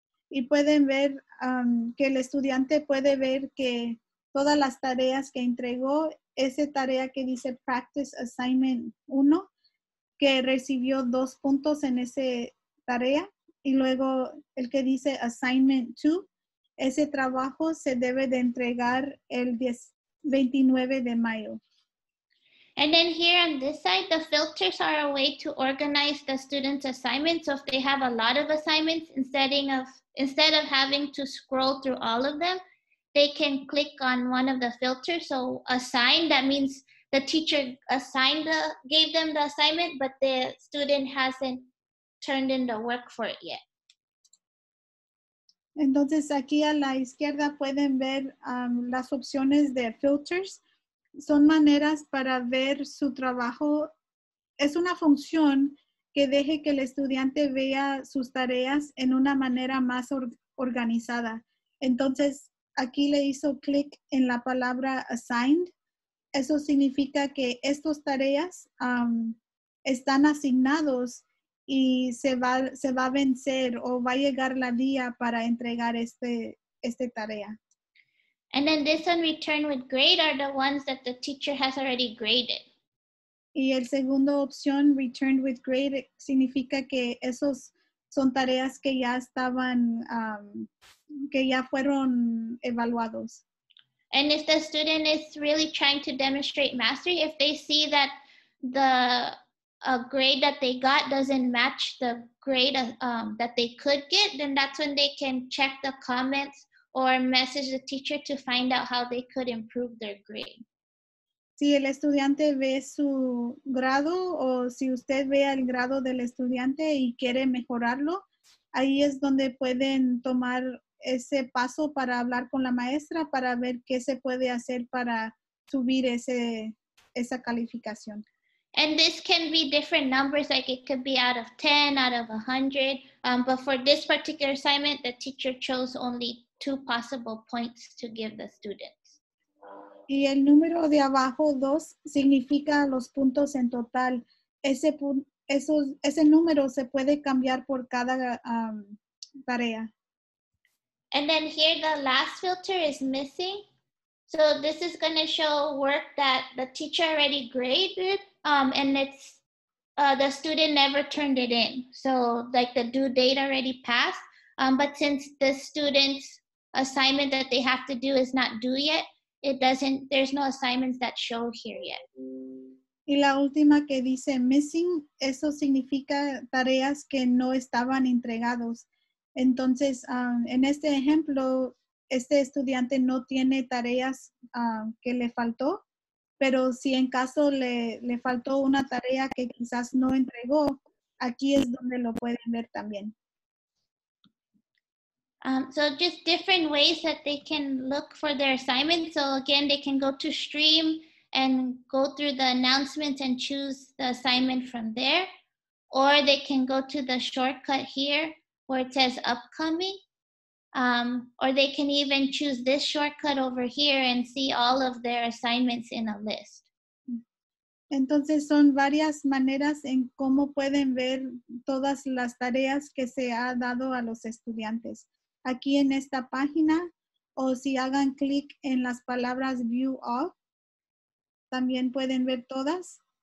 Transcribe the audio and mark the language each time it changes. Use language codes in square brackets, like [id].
[es] Y pueden ver que el estudiante puede ver que todas las tareas que entregó, esa tarea que dice Practice Assignment 1, que recibió 2 puntos en esa tarea. Y luego el que dice Assignment 2, ese trabajo se debe de entregar el 29 de mayo. [en] And then here on this side, the filters are a way to organize the students' assignments. So if they have a lot of assignments, instead of having to scroll through all of them, they can click on one of the filters. So assign, that means the teacher assigned gave them the assignment, but the student hasn't turned in the work for it yet. [es] Entonces aquí a la izquierda pueden ver las opciones de filters. Son maneras para ver su trabajo. Es una función que deje que el estudiante vea sus tareas en una manera más organizada. Entonces, aquí le hizo clic en la palabra assigned. Eso significa que estas tareas están asignados y se va a vencer o va a llegar la día para entregar esta tarea. [en] And then this one return with grade are the ones that the teacher has already graded. [es] Y el segundo opción [en] return with grade [es] significa que esos son tareas que ya estaban que ya fueron evaluados. [en] And if the student is really trying to demonstrate mastery, if they see that the grade that they got doesn't match the grade that they could get, then that's when they can check the comments or message the teacher to find out how they could improve their grade. [es] Si el estudiante ve su grado o si usted ve el grado del estudiante y quiere mejorarlo, ahí es donde pueden tomar ese paso para hablar con la maestra para ver qué se puede hacer para subir esa calificación. [en] And this can be different numbers, like it could be out of 10, out of 100. But for this particular assignment, the teacher chose only 2 possible points to give the students. [es] Y el número de abajo, 2, significa los puntos en total. Ese número se puede cambiar por cada tarea. [en] And then here the last filter is missing. So this is going to show work that the teacher already graded and it's the student never turned it in. So like the due date already passed. But since the student's assignment that they have to do is not due yet, there's no assignments that show here yet. [es] Y la última que dice missing, eso significa tareas que no estaban entregados. Entonces, en este ejemplo, este estudiante no tiene tareas que le faltó, pero si en caso le faltó una tarea que quizás no entregó, aquí es donde lo pueden ver también. [en] So just different ways that they can look for their assignment. So again, they can go to stream and go through the announcements and choose the assignment from there. Or they can go to the shortcut here where it says upcoming. Or they can even choose this shortcut over here and see all of their assignments in a list. [es] Entonces son varias maneras en cómo pueden ver todas las tareas que se ha dado a los estudiantes. Aquí en esta página, o si hagan clic en las palabras [en] View All, [es] también pueden ver todas.